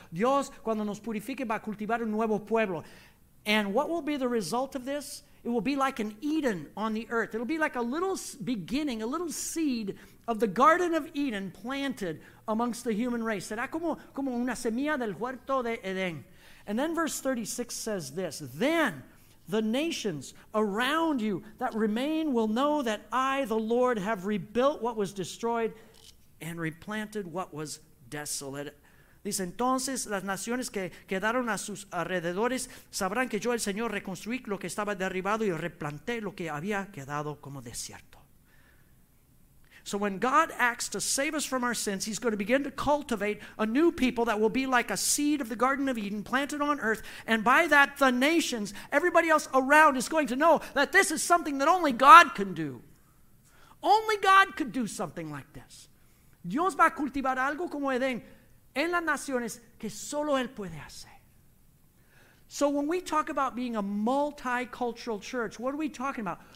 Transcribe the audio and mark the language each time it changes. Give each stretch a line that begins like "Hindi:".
Spanish: Dios, cuando nos purifique, va a cultivar un nuevo pueblo.
English: And what will be the result of this? It will be like an Eden on the earth. It'll be like a little beginning, a little seed of the Garden of Eden planted amongst the human race.
Spanish: Será como una semilla del huerto de Edén.
English: And then verse 36 says this, then the nations around you that remain will know that I, the Lord, have rebuilt what was destroyed and replanted what was desolate.
Spanish: Dice, entonces las naciones que quedaron a sus alrededores sabrán que yo, el Señor, reconstruí lo que estaba derribado y replanté lo que había quedado como desierto.
English: So when God acts to save us from our sins, he's going to begin to cultivate a new people that will be like a seed of the Garden of Eden planted on earth. And by that, the nations, everybody else around is going to know that this is something that only God can do. Only God could do something like this.
Spanish: Dios va a cultivar algo como Edén en las naciones que solo Él puede hacer.
English: So when we talk about being a multicultural church, what are we talking about?